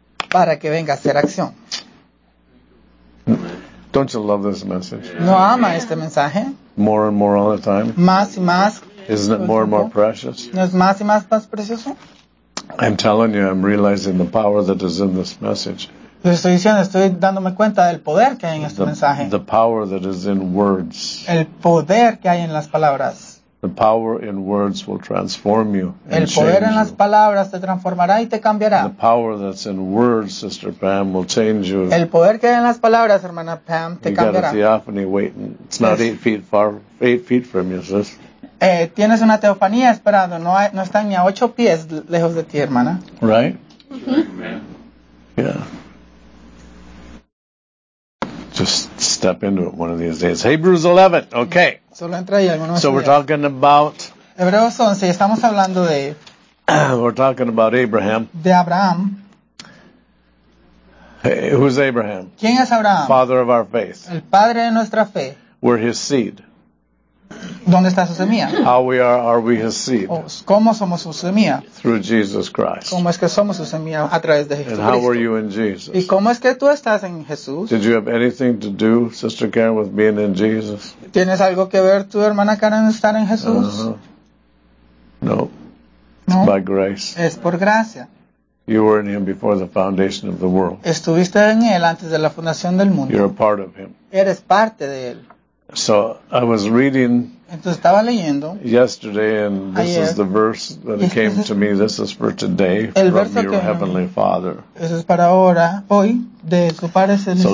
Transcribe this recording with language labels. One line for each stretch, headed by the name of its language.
Spanish: Para que venga a ser acción.
English: Don't you love this message?
Spanish: ¿No ama este mensaje?
English: More and more all the time.
Spanish: Más y más.
English: Isn't it more and more precious?
Spanish: ¿No es más y más, más precioso?
English: I'm telling you, I'm realizing the power that is in this message.
Spanish: Estoy diciendo, estoy dándome cuenta del poder que hay en este mensaje.
English: The power that is in words.
Spanish: El poder que hay en las palabras.
English: The power in words will transform you.
Spanish: El poder en las palabras te transformará y te cambiará.
English: The power that's in words, Sister Pam, will change you.
Spanish: El poder que hay en las palabras, hermana Pam, te cambiará.
English: You got a theophany waiting. It's not 8 feet far, 8 feet from you, sis.
Spanish: Tienes una teofanía esperando. No, hay, no están ni a 8 pies lejos de ti, hermana.
English: Right? Mm-hmm. Yeah. Just step into it one of these days. Hebrews 11. Okay.
Spanish: Solo entra ahí algunos días.
English: So we're talking about.
Spanish: Hebreos 11. Estamos hablando de.
English: We're talking about Abraham.
Spanish: De Abraham.
English: Hey, who's Abraham?
Spanish: ¿Quién es Abraham?
English: Father of our faith.
Spanish: El padre de nuestra fe.
English: We're his seed.
Spanish: ¿Dónde está su semilla?
English: How we are we his seed?
Spanish: ¿Cómo somos su semilla?
English: Through Jesus Christ.
Spanish: ¿Cómo es que somos su semilla a través de Jesucristo?
English: And how are you in Jesus?
Spanish: ¿Y cómo es que tú estás en Jesús?
English: Did you have anything to do, Sister Karen, with being in Jesus?
Spanish: ¿Tienes algo que ver tu hermana Karen estar en Jesús?
English: No.
Spanish: No.
English: It's by grace.
Spanish: Es por gracia.
English: You were in him before the foundation of the world.
Spanish: Estuviste en él antes de la fundación del mundo.
English: You're a part of him.
Spanish: Eres parte de él.
English: So I was reading
Spanish: Entonces, estaba leyendo
English: yesterday, and this
Spanish: ayer,
English: is the verse that came to me. This is for today
Spanish: el verso
English: your
Spanish: que
English: heavenly
Spanish: me,
English: Father.
Spanish: Eso es para ahora, hoy, de su padre celestial.